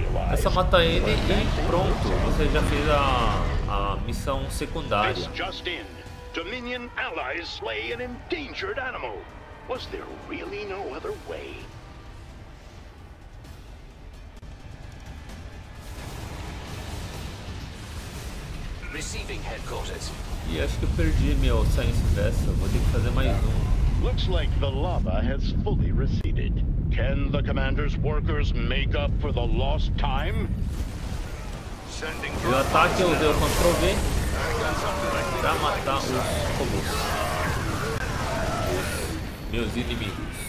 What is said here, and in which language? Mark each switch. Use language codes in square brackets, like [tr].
[pt] É só matar ele e pronto, você já fez a missão secundária. [en] Dominion allies slay an endangered animal. Was there really no other way? Receiving headquarters. [pt] E acho que eu perdi meu science vessel. Vou ter que fazer mais um. [en] Looks like the lava has fully receded. Can the commander's workers make up for the lost time? [pt] O ataque eu dei o Ctrl V pra matar os robôs. Meus inimigos.